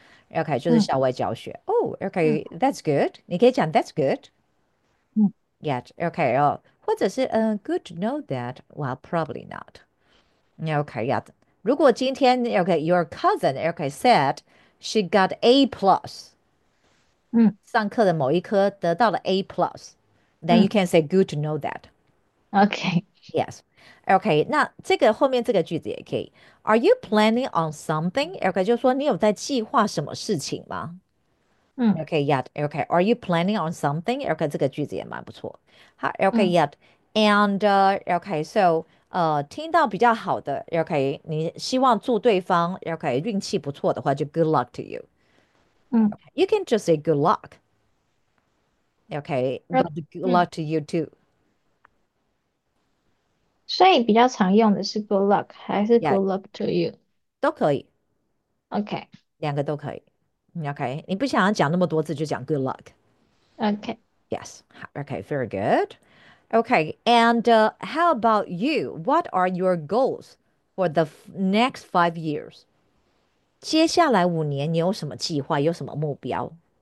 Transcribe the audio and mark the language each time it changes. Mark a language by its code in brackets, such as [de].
[en] Okay, [zh] 就是校外教学. [en] Oh, okay, that's good. [zh] 你可以讲 [en] that's good. Yet, okay, 或者是 good to know that. Well, probably not. Okay, yeah. [zh] 如果今天 [en] okay, your cousin okay said she got A+. [zh] 上课的某一科得到了 A+. [en] Then you can say good to know that. Okay. Yes. Okay. [zh] 那这个后面这个句子也可以. [en] Are you planning on something? Okay, [zh] 就说你有在计划什么事情吗？ [en] Okay, yet. Okay, are you planning on something? Okay, [zh] 这个句子也蛮不错. [en] Okay, yet. [zh] And, okay, so, 听到比较好的, okay, 你希望祝对方, okay, 运气不错的话, 就 [en] good luck to you. Okay, you can just say good luck. Okay, but good luck to you too. [zh] 所以比较常用的是 good luck 还是 good luck to you? 都可以. [en] Okay. [zh] 两个都可以.Okay, 你不想要讲那么多字就讲 [en] good luck. Okay. Yes, okay, very good. Okay, and how about you? What are your goals for the next 5 years? [zh] 接下来5年你有什么计划,有什么目标?